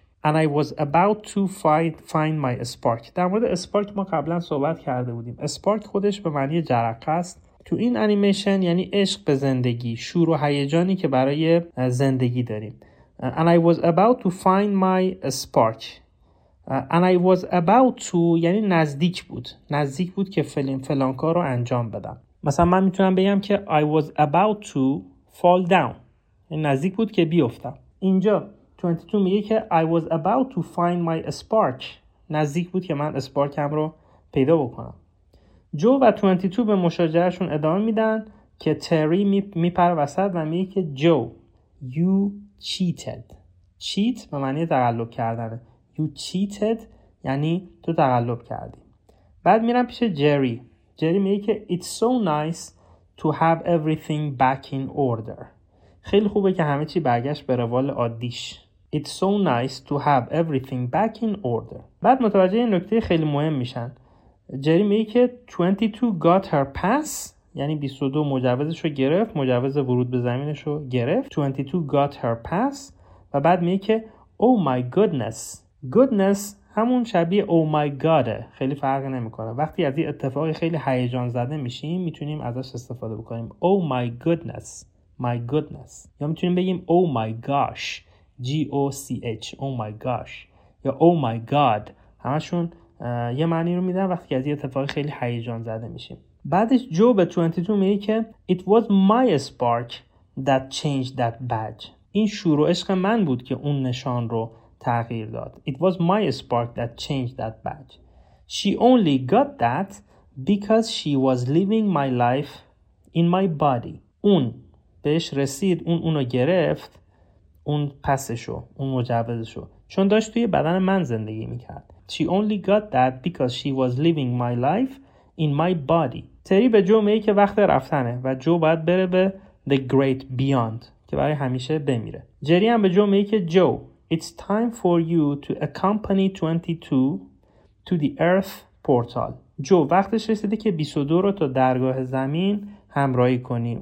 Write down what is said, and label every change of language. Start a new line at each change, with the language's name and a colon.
English: And I was about to find my spark.
Persian: در مورد spark ما قبلا صحبت کرده بودیم. spark خودش به معنی جرقه است. تو این انیمیشن یعنی عشق به زندگی، شور و هیجانی که برای زندگی داریم.
English: And I was about to find my spark. And I was about to
Persian: یعنی نزدیک بود. نزدیک بود که فلان کار رو انجام بدم. مثلا من میتونم بگم که
English: I was about to fall down.
Persian: نزدیک بود که بیفتم. اینجا 22 میگه که
English: I was about to find my spark.
Persian: نزدیک بود که من اسپارکم رو پیدا بکنم. جو و 22 به مشاجرهشون ادامه میدن که تری میپره وسط و میگه که جو
English: you cheated.
Persian: cheat به معنی تقلب کردنه.
English: you cheated
Persian: یعنی تو تقلب کردی. بعد میرن پیش جری. جری میگه که
English: it's so nice to have everything back in order.
Persian: خیلی خوبه که همه چی برگشت به روال عادیش.
English: It's so nice to have everything back in order.
Persian: بعد متوجه این نکته خیلی مهم میشن. جری میگه که 22
English: got her pass،
Persian: یعنی 22 مجوزشو گرفت، مجوز ورود به زمینشو گرفت.
English: 22 got her pass
Persian: و بعد میگه که
English: oh my goodness.
Persian: goodness همون شبیه
English: oh my god،
Persian: خیلی فرق نمیکنه. وقتی از این اتفاق خیلی هیجان زده میشیم میتونیم ازش استفاده بکنیم.
English: oh my goodness. my goodness.
Persian: یا میتونیم بگیم
English: oh my gosh. G-O-C-H Oh my gosh یا Oh my god.
Persian: همشون یه معنی رو میدن وقتی از یه اتفاق خیلی هیجان زده میشیم. بعدش جو به 22 میگه که
English: It was my spark that changed that badge.
Persian: این شور و عشق من بود که اون نشان رو تغییر داد.
English: It was my spark that changed that badge. She only got that because she was living my life in my body.
Persian: اون بهش رسید، اونو گرفت، اون پسشو، اون مجوزشو، چون داشت توی بدن من زندگی میکرد.
English: She only got that because she was living my life in my body.
Persian: تری به جو میگه که وقت رفتنه و جو باید بره به the great beyond که برای همیشه بمیره. جری هم به جو میگه که جو،
English: it's time for you to accompany 22 to the earth portal.
Persian: جو وقتش رسیده که 22 رو تا درگاه زمین همراهی کنی.